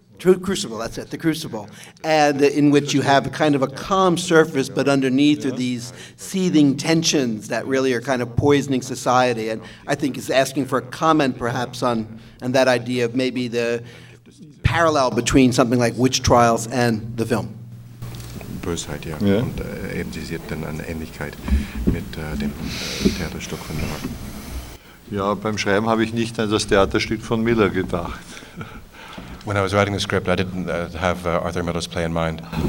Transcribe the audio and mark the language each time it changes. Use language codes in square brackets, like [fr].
[en] Crucible, that's it, the Crucible. And in which you have kind of a calm surface, but underneath are these seething tensions that really are kind of poisoning society. And I think is asking for a comment perhaps on that idea of maybe the parallel between something like witch trials and the film. [de] Bösheit, ja. [en] Yeah. [de] Und eben sie sieht dann eine Ähnlichkeit mit dem Theaterstück von Miller. Ja, beim Schreiben habe ich nicht an das Theaterstück von Miller gedacht. [en] When I was writing the script, I didn't have Arthur Miller's play in mind.